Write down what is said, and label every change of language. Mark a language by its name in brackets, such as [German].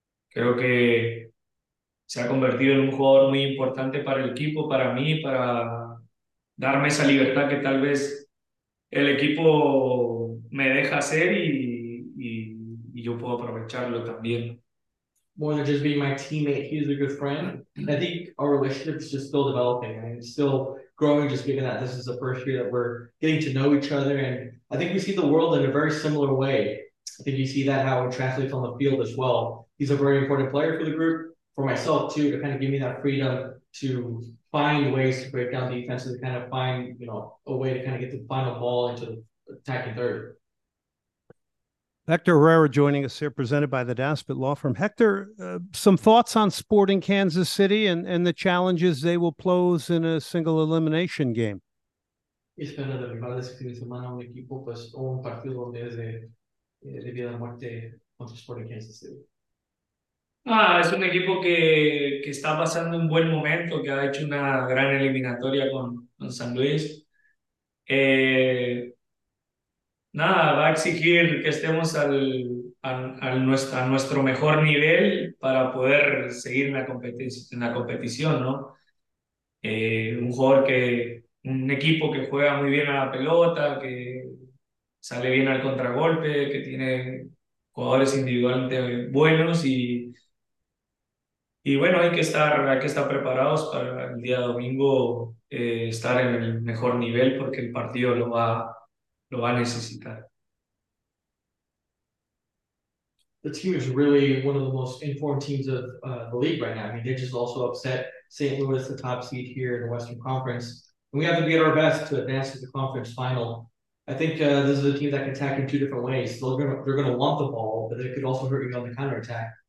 [Spanish] Creo que se ha convertido en un jugador muy importante para el equipo, para mí, para darme esa libertad que tal vez el equipo me deja hacer y yo puedo aprovecharlo también. [English] More than just being my teammate, he's a good friend. I think our relationship is just still developing. I mean, it's still growing, just given that this is the first year that we're getting to know each other. And I think we see the world in a very similar way. I think you see that how it translates on the field as well. He's a very important player for the group, for myself too, to kind of give me that freedom to find ways to break down defenses, to kind of find, a way to kind of get the final ball into the attacking third. Hector Herrera joining us here, presented by the Daspit Law Firm. Hector, some thoughts on Sporting Kansas City and the challenges they will pose in a single elimination game. [Spanish] Espero de rivales este fin de semana un equipo, pues, o un partido donde es de vida o muerte contra Sporting Kansas City. Ah, es un equipo que está pasando un buen momento, que ha hecho una gran eliminatoria con San Luis. Nada, va a exigir que estemos a nuestro mejor nivel para poder seguir en la competición, ¿no? Un jugador que. Un equipo que juega muy bien a la pelota, que sale bien al contragolpe, que tiene jugadores individualmente buenos y bueno, hay que estar preparados para el día domingo, estar en el mejor nivel porque el partido lo va a necesitar. [English] The team is really one of the most informed teams of the league right now. I mean, they just also upset St. Louis, the top seed here in the Western Conference. And we have to be at our best to advance to the conference final. I think this is a team that can attack in two different ways. They're gonna want the ball, but they could also hurt you on the counterattack.